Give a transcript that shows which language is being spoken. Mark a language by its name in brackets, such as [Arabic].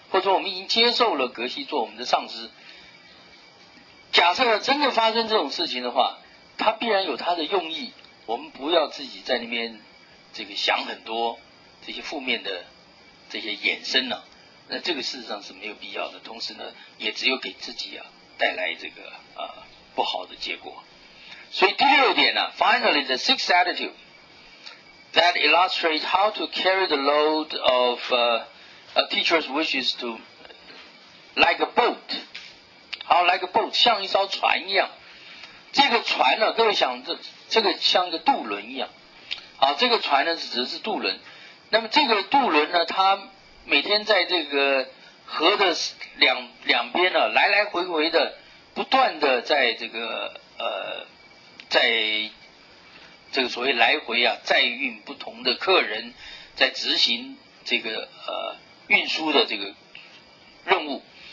[Chinese] 或者我们已经接受了格西做我们的上师，假设真的发生这种事情的话，他必然有他的用意，我们不要自己在那边这个想很多这些负面的这些衍生呢、啊、那这个事实上是没有必要的，同时呢也只有给自己啊带来这个不好的结果。所以第六点呢、啊、 [English] finally the sixth attitude that illustrates how to carry the load of A teacher's wishes to like a boat, 好 like a boat, [Chinese] 像一艘船一样。这个船呢，各位想这个像一个渡轮一样。好，这个船呢只是渡轮。那么这个渡轮呢，它每天在这个河的两边呢，来来回回的，不断的在这个在这个所谓来回啊，载运不同的客人，在执行这个运输的这个任务。